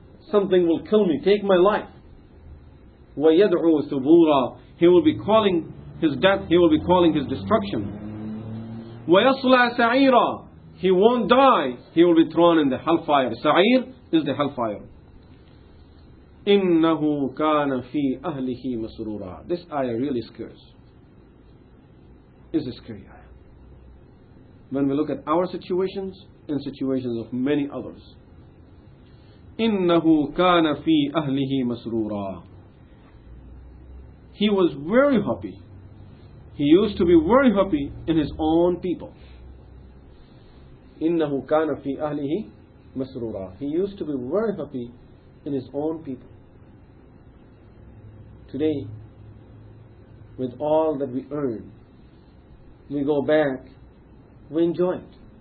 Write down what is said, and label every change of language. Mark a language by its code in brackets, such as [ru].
[en] Something will kill me, take my life. [ar] وَيَدْعُوا ثُبُورًا, [en] he will be calling his death, he will be calling his destruction. [ar] وَيَصْلَى سَعِيرًا, [en] he won't die, he will be thrown in the hellfire. Sa'ir is the hellfire. [ar] إِنَّهُ كَانَ فِي أَهْلِهِ مَسْرُورًا, [en] this ayah really scares. It's a scary ayah. When we look at our situations and situations of many others. [ar] إِنَّهُ كَانَ فِي أَهْلِهِ مَسْرُورًا, [en] he was very happy. He used to be very happy in his own people. [ar] إِنَّهُ كَانَ فِي أَهْلِهِ مَسْرُورًا, [en] he used to be very happy in his own people. Today, with all that we earn, we go back, we enjoy it.